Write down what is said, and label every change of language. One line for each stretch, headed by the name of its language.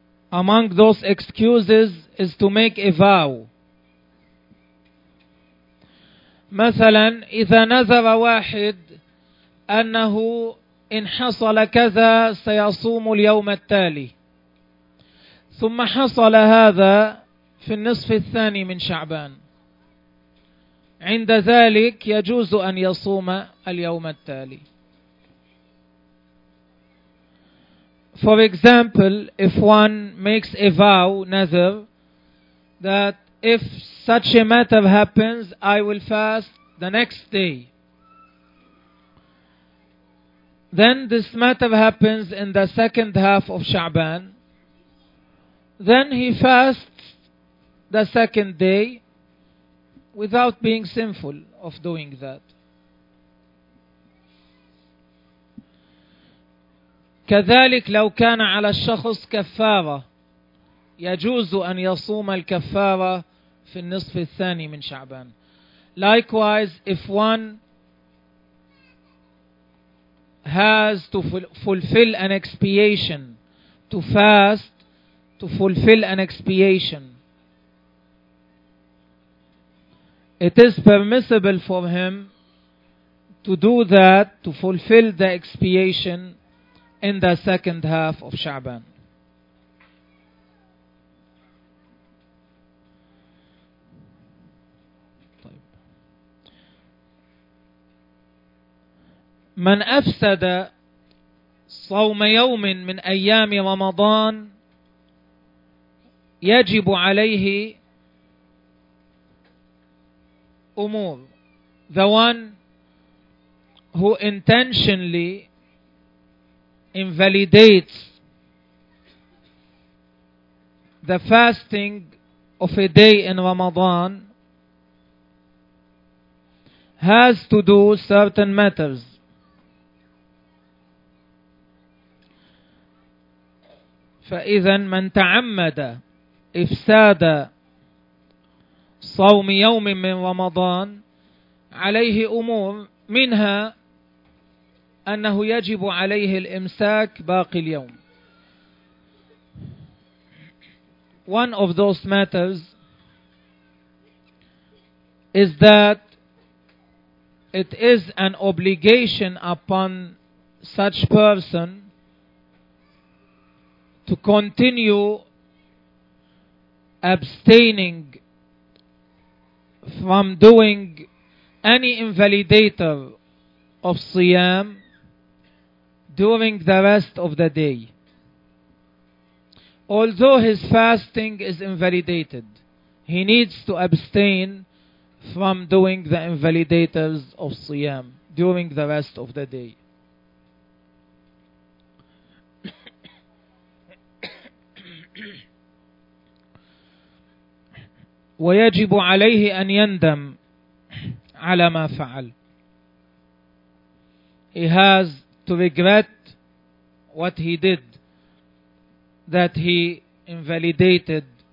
English: Among those excuses is to make a vow.
Arabic: مثلا إذا نذر واحد أنه إن حصل كذا سيصوم اليوم التالي ثم حصل هذا في النصف الثاني من شعبان عند ذلك يجوز أن يصوم اليوم التالي.
English: For example, if one makes a vow, nazar, that if such a matter happens, I will fast the next day. Then this matter happens in the second half of Sha'ban. Then he fasts the second day without being sinful of doing that.
Arabic: كذلك لو كان على الشخص كفارة يجوز أن يصوم الكفارة في النصف الثاني من شعبان.
English: Likewise, if one has to fulfill an expiation, to fast, to fulfill an expiation, it is permissible for him to do that, to fulfill the expiation in the second half of Sha'ban.
Arabic: من أفسد صوم يوم من أيام رمضان يجب عليه أمور.
English: The one who intentionally invalidates the fasting of a day in Ramadan has to do certain matters.
Arabic: فإذن من تعمد إفساد صوم يوم من رمضان عليه أمور، منها أنه يجب عليه الإمساك باقي اليوم.
English: One of those matters is that it is an obligation upon such person to continue abstaining from doing any invalidator of Siyam during the rest of the day. Although his fasting is invalidated, he needs to abstain from doing the invalidators of Siyam during the rest of the day.
Arabic: ويجب عليه أن يندم على ما فعل.
English: He has to regret what he did, that he invalidated